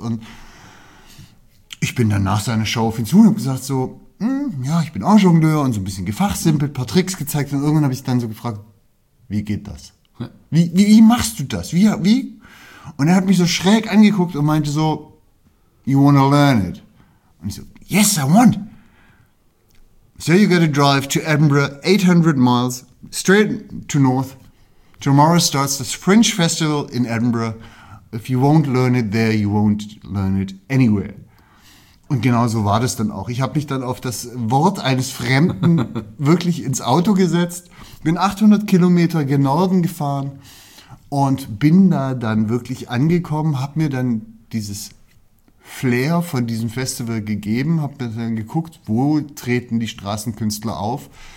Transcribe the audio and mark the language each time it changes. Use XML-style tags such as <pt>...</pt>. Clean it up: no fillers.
<de>Und ich bin dann nach seiner Show auf ihn zu und habe gesagt so, ich bin auch Jongleur und so ein bisschen gefachsimpelt, ein paar Tricks gezeigt. Und irgendwann habe ich dann so gefragt, wie geht das? Wie machst du das? Wie? Und er hat mich so schräg angeguckt und meinte so,</de> <en>you wanna learn it?</en> <de>Und ich so,</de> <en>yes, I want. So you gotta drive to Edinburgh 800 miles straight to north. Tomorrow starts the Fringe Festival in Edinburgh. If you won't learn it there, you won't learn it anywhere.</en> <de>Und genau so war das dann auch. Ich habe mich dann auf das Wort eines Fremden wirklich ins Auto gesetzt, bin 800 Kilometer gen Norden gefahren und bin da dann wirklich angekommen, habe mir dann dieses Flair von diesem Festival gegeben, habe mir dann geguckt, wo treten die Straßenkünstler auf.</de>